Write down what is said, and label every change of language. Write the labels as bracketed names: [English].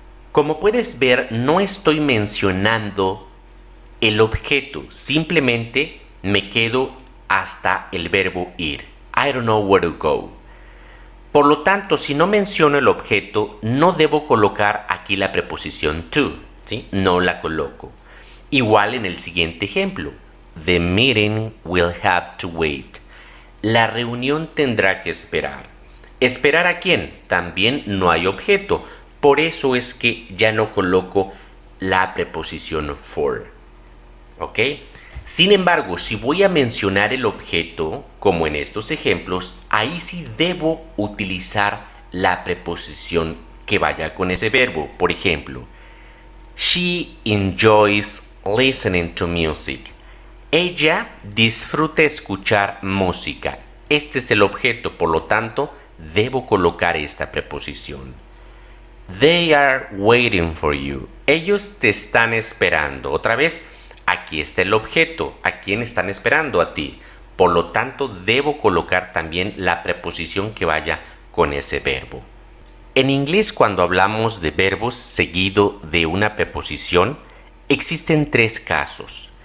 [Spanish] Como puedes ver, no estoy mencionando el objeto, simplemente me quedo hasta el verbo ir. I don't know where to go. Por lo tanto, si no menciono el objeto, no debo colocar aquí la preposición to, ¿sí? No la coloco. Igual en el siguiente ejemplo. [English] The meeting will have to wait. [Spanish] La reunión tendrá que esperar. ¿Esperar a quién? También no hay objeto. Por eso es que ya no coloco la preposición for. ¿Ok? Sin embargo, si voy a mencionar el objeto, como en estos ejemplos, ahí sí debo utilizar la preposición que vaya con ese verbo. [English] Por ejemplo, She enjoys listening to music. [Spanish] Ella disfruta escuchar música. Este es el objeto, por lo tanto, debo colocar esta preposición. [English] They are waiting for you. [Spanish] Ellos te están esperando. Otra vez, aquí está el objeto. ¿A quién están esperando? A ti. Por lo tanto, debo colocar también la preposición que vaya con ese verbo. En inglés, cuando hablamos de verbos seguido de una preposición, existen tres casos.